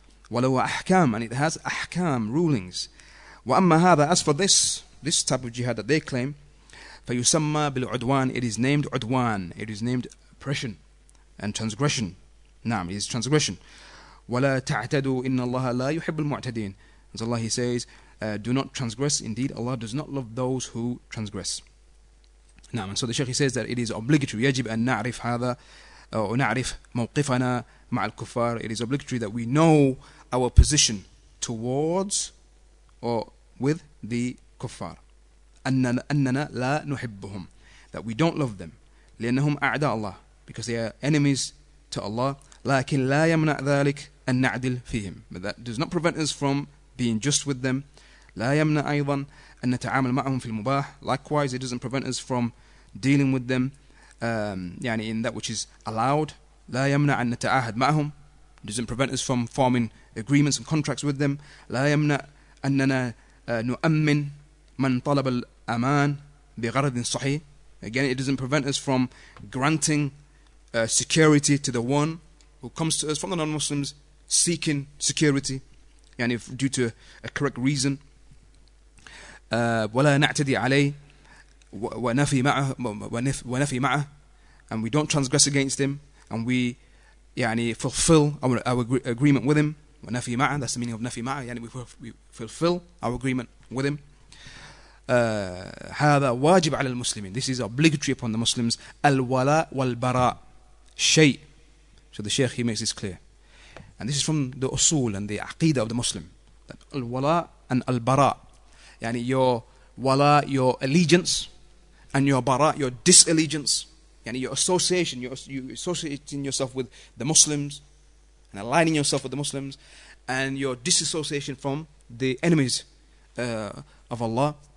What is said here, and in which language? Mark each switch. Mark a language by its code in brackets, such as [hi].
[ar] ولو أحكام, [en] and it has أحكام, rulings. [ar] وأما هذا, [en] as for this type of jihad that they claim, [ar] فيسمى بالعدوان, [en] it is named عدوان, it is named oppression and transgression. نعم, it is transgression. [ar] ولا تعتدوا إن الله لا يحب المعتدين. [en] As Allah he says, do not transgress, indeed Allah does not love those who transgress. نعم, and so the Sheikh he says that it is obligatory, [ar] يجب أن نعرف هذا, أو نعرف موقفنا مع الكفار. [en] It is obligatory that we know our position towards or with the kuffar. [ar] أننا لا نحبهم, [en] that we don't love them. [ar] لأنهم أعداء الله, [en] because they are enemies to Allah. [ar] لكن لا يمنع ذلك أن نعدل فيهم, [en] but that does not prevent us from being just with them. [ar] لا يمنع أيضا أن نتعامل معهم في المباح. [en] Likewise, it doesn't prevent us from dealing with them, يعني in that which is allowed. [ar] لا يمنع أن نتعاهد معهم, [en] it doesn't prevent us from forming agreements and contracts with them. [ar] لا يمنع أننا نؤمن من طلب الأمان بغرض صحيح. [en] Again, it doesn't prevent us from granting security to the one who comes to us from the non-Muslims seeking security, يعني if due to a correct reason. [ar] ولا نعتدي عليه ونفي معه, [en] and we don't transgress against him, and we يعني fulfill our agreement with him. [ar] ونفي معه, [en] that's the meaning of [ar] نفي معه, [en] يعني we fulfill our agreement with him. [ar] هذا واجب على المسلمين, [en] this is obligatory upon the Muslims. [ar] الولاء والبراء, شيء [en] So the Sheikh, he makes this clear. And this is from the usul and the aqidah of the Muslim. That al-wala and al-bara. Yani your wala, your allegiance, and your bara, your disallegiance. Yani your association, you associating yourself with the Muslims, and aligning yourself with the Muslims, and your disassociation from the enemies of Allah.